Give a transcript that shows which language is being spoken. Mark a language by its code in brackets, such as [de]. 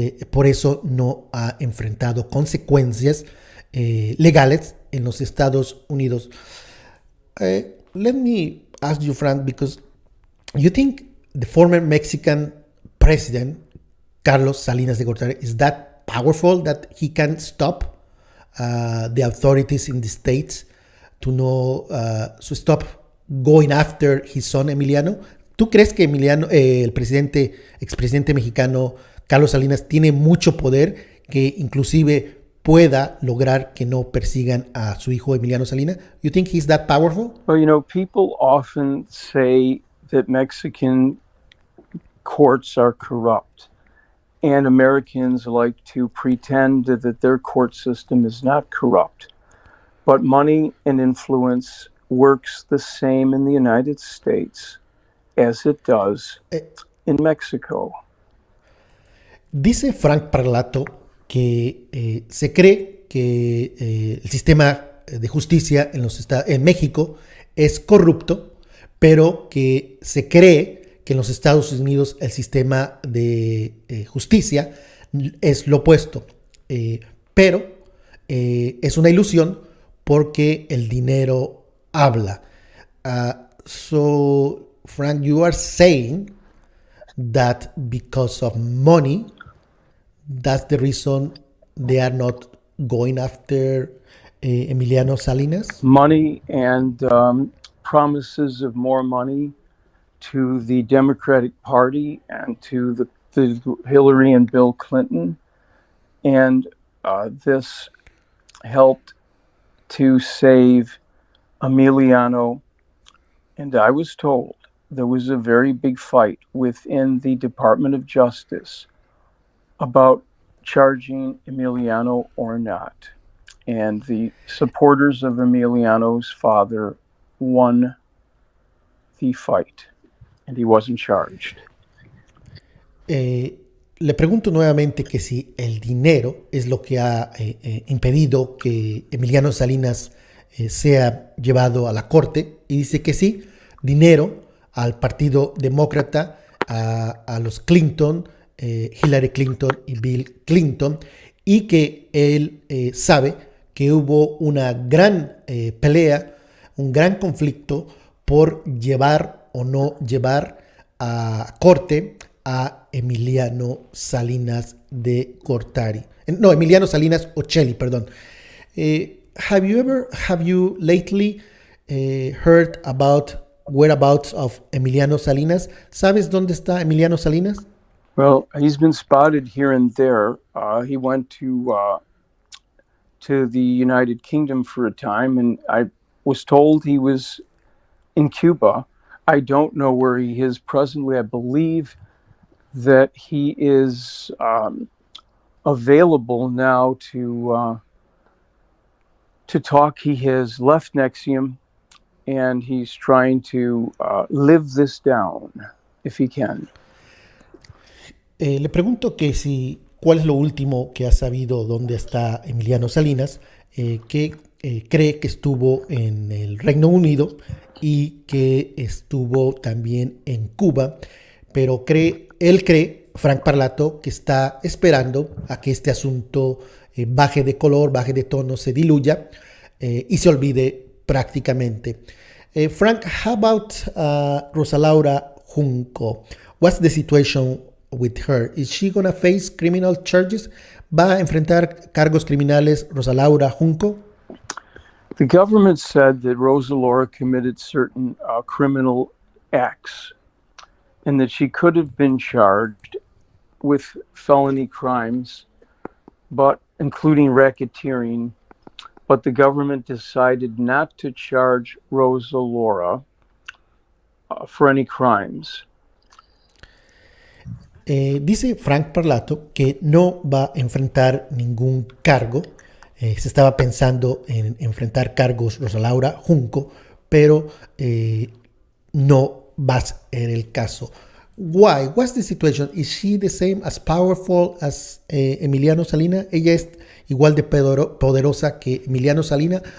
[es] Por eso no ha enfrentado consecuencias legales en los Estados Unidos. [en] Let me ask you, Frank, because you think the former Mexican president, Carlos Salinas de Gortari, is that powerful that he can stop the authorities in the states to no to stop going after his son Emiliano? [es] ¿Tú crees que Emiliano, el presidente, expresidente mexicano Carlos Salinas, tiene mucho poder que inclusive pueda lograr que no persigan a su hijo Emiliano Salinas? [en] You think he's that powerful? Well, people often say that Mexican courts are corrupt, and Americans like to pretend that their court system is not corrupt. But money and influence works the same in the United States as it does in Mexico. [es] Dice Frank Parlato que se cree que el sistema de justicia en los estados en México es corrupto, pero que se cree que en los Estados Unidos el sistema de justicia es lo opuesto. Pero es una ilusión porque el dinero habla. [en] So, Frank, you are saying that because of money. That's the reason they are not going after Emiliano Salinas. Money and promises of more money to the Democratic Party and to the Hillary and Bill Clinton, and this helped to save Emiliano. And I was told there was a very big fight within the Department of Justice about charging Emiliano or not. And the supporters of Emiliano's father won the fight, and he wasn't charged. [es] Le pregunto nuevamente que si el dinero es lo que ha impedido que Emiliano Salinas sea llevado a la corte, y dice que sí, dinero al Partido Demócrata, a los Clinton, Hillary Clinton y Bill Clinton, y que él sabe que hubo una gran pelea, un gran conflicto por llevar o no llevar a corte a Emiliano Salinas de Gortari. No, Emiliano Salinas Ocelli, perdón. [en] Have you lately heard about whereabouts of Emiliano Salinas? [es] ¿Sabes dónde está Emiliano Salinas? [en] Well, he's been spotted here and there. He went to the United Kingdom for a time, and I was told he was in Cuba. I don't know where he is presently. I believe that he is available now to talk. He has left NXIVM, and he's trying to live this down if he can. [es] Le pregunto que si, ¿cuál es lo último que ha sabido dónde está Emiliano Salinas? Que cree que estuvo en el Reino Unido y que estuvo también en Cuba, pero él cree, Frank Parlato, que está esperando a que este asunto baje de color, baje de tono, se diluya y se olvide prácticamente. [en] Frank, how about Rosa Laura Junco? What's the situation with her? Is she gonna face criminal charges? [es] ¿Va a enfrentar cargos criminales Rosa Laura Junco? [en] The government said that Rosa Laura committed certain criminal acts and that she could have been charged with felony crimes, but including racketeering. But the government decided not to charge Rosa Laura for any crimes. [es] Dice Frank Parlato que no va a enfrentar ningún cargo. Se estaba pensando en enfrentar cargos Rosa Laura Junco, pero no va a ser el caso. [en] Why? What's the situation? Is she the same as powerful as Emiliano Salinas? [es] ¿Ella es igual de poderosa que Emiliano Salinas?